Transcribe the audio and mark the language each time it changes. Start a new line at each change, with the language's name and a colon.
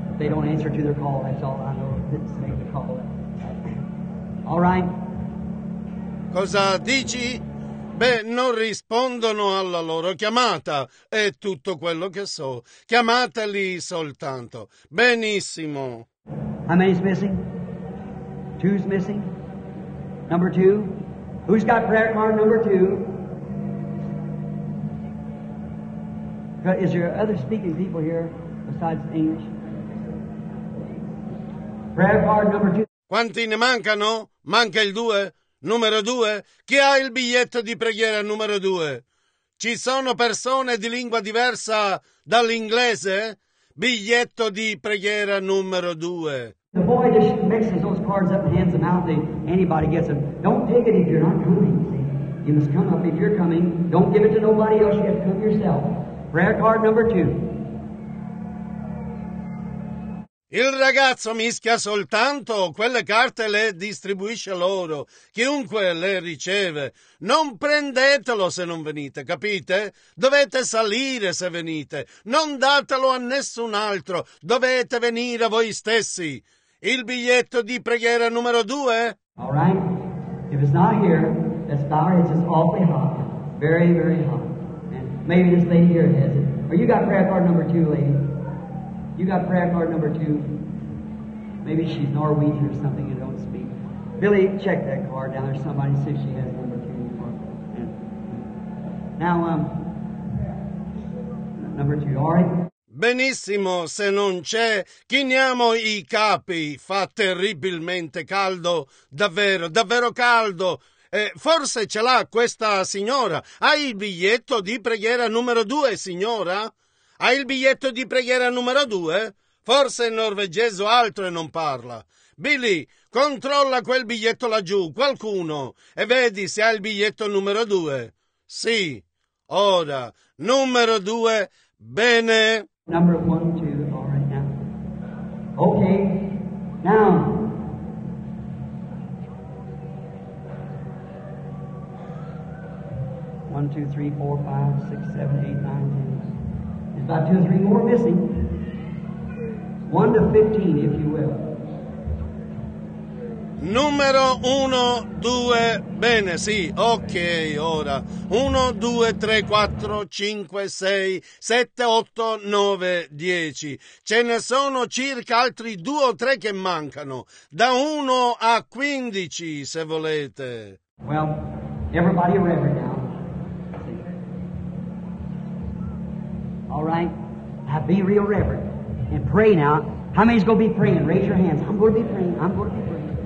English: They don't answer to their call, that's all I know. It's make the call. All right.
Italian: Cosa dici? Beh, non rispondono alla loro chiamata, è tutto quello che so. Chiamateli soltanto. Benissimo.
English: How many's missing? Two's missing? Number two? Who's got prayer card number two? Is there other speaking people here besides English? Prayer card number two.
Italian: Quanti ne mancano? Manca il due? Numero due? Chi ha il biglietto di preghiera numero due? Ci sono persone di lingua diversa dall'inglese? Biglietto di preghiera numero due.
English: The boy just mixes those cards up and hands them out. Anybody gets them. Don't take it if you're not coming. You must come up if you're coming. Don't give it to nobody else. You have to come yourself. Prayer card number two.
Italian: Il ragazzo mischia soltanto quelle carte e le distribuisce loro. Chiunque le riceve. Non prendetelo se non venite, capite? Dovete salire se venite. Non datelo a nessun altro. Dovete venire voi stessi. Il biglietto di preghiera numero due?
English: All right. If it's not here, let's bow our heads. It's awfully hot. Very, very hot. And maybe this lady here has it. Or you got prayer card number two, lady? You got prayer card number two. Maybe she's Norwegian or something and don't speak. Billy, check that card down there. Somebody see if she has number two anymore. Now, number two, all right?
Italian: Benissimo, se non c'è, chiniamo i capi. Fa terribilmente caldo, davvero, davvero caldo. Forse ce l'ha questa signora. Hai il biglietto di preghiera numero due, signora? Ha il biglietto di preghiera numero due? Forse il norvegese o altro e non parla. Billy, controlla quel biglietto laggiù, qualcuno, e vedi se ha il biglietto numero due. Sì, ora, numero due, bene.
English: Number one, two, all right now. Okay, now. One, two, three, four, five, six, seven, eight, nine, ten. There's about two or three more missing. One to 15, if you will.
Italian: Numero uno, due, bene, sì, ok, ora. Uno, due, tre, quattro, cinque, sei, sette, otto, nove, dieci. Ce ne sono circa altri due o tre che mancano. Da uno a quindici, se volete.
English: Well, everybody ready now. All right, now be real reverent and pray now. How many's gonna be praying? Raise your hands. I'm gonna be praying, I'm gonna be praying.